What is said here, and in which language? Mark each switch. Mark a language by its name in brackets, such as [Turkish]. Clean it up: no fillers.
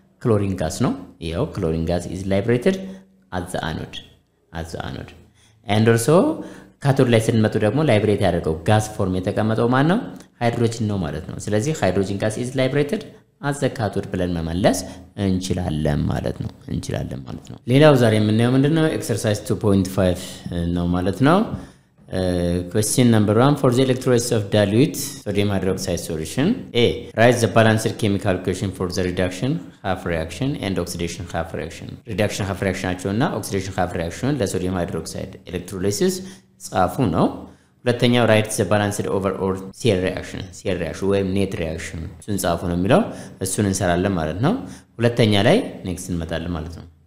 [English] ክሎሪን ጋስ ነው። ይኸው ክሎሪን ጋስ ኢዝ ላይብሬትድ አት ዘ አኖድ ኤንድ ኦልሶ [Amharic] ካቶድ ላይ ስንመጡ ደግሞ ላይብሬት ያደርገው ጋስ ፎርም የተቀመጠው ማን ነው? ሃይድሮጂን ነው ማለት ነው። ስለዚህ [English] ሃይድሮጂን ጋስ ኢዝ ላይብሬትድ አት ዘ ካቶድ [Amharic] ብለን መመለስ እንችላለን ማለት ነው። ሌላው ዛሬ የምናየው ምንድን ነው? ኤክሰርሳይዝ 2.5 ነው ማለት ነው። [English] Question number 1 for the electrolysis of dilute sodium hydroxide solution. A. Write the balanced chemical equation for the reduction half reaction and oxidation half reaction. [Amharic] Reduction half reaction አቸውና oxidation half reaction ለsodium hydroxide electrolysis ጻፉ ነው። ሁለተኛው [English] write the balanced overall CL reaction [Amharic] ወይም net reaction እሱን ጻፉ ነው የሚለው። እሱን እንሰራለን ማለት ነው። ሁለተኛ ላይ next እንመጣለን ማለት ነው።